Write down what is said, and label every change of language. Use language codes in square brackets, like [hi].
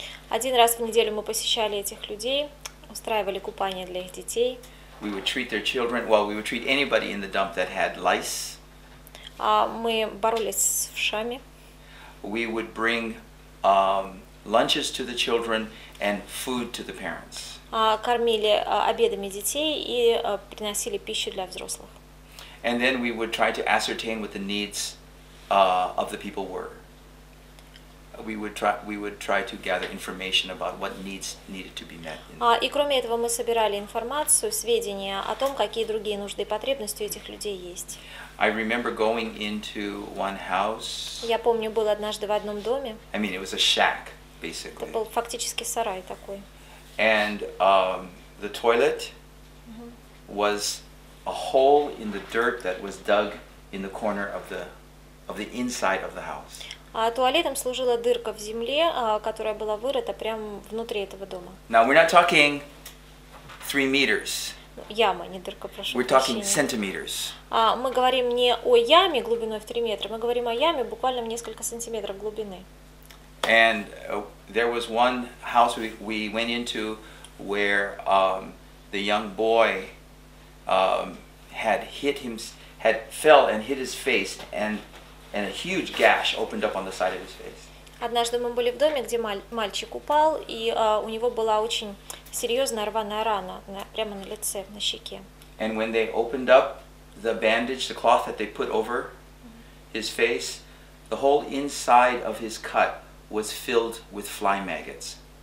[ru] Один раз в неделю мы посещали этих людей, устраивали купание для их детей. [en] We would treat their children. Well, we would treat anybody in the dump that had lice. [ru] Мы боролись с вшами. [en] We would bring lunches to the children and food to the parents. [ru] Кормили обедами детей и приносили пищу для взрослых. [en] And then we would try to ascertain what the needs of the people were. We would try to gather information about what needs needed to be met. [ru] И кроме этого мы собирали информацию, сведения о том, какие другие нужды и потребности у этих людей есть. [en] I remember going into one house. [ru] Я помню, был однажды в одном доме. [en] I mean, it was a shack, basically. [ru] Это был фактически сарай такой. [en] And the toilet was a hole in the dirt that was dug in the corner of the inside of the house. [ru] Туалетом служила дырка в земле, которая была вырыта прямо внутри этого дома. [en] Now we're not talking 3 meters. [ru] Яма, не дырка, прошу. [en] We're talking centimeters. [ru] Мы говорим не о яме глубиной в 3 метра, мы говорим о яме буквально в несколько сантиметров глубины. [en] And there was one house we went into where the young boy had fell and hit his face and a huge gash opened up on the side of his face. [ru] Однажды мы были в доме, где мальчик упал, и у него была очень серьезная рваная рана прямо на лице, на щеке. [en] And when they opened up the bandage, the cloth that they put over his face, the whole inside of his cut was filled with fly maggots.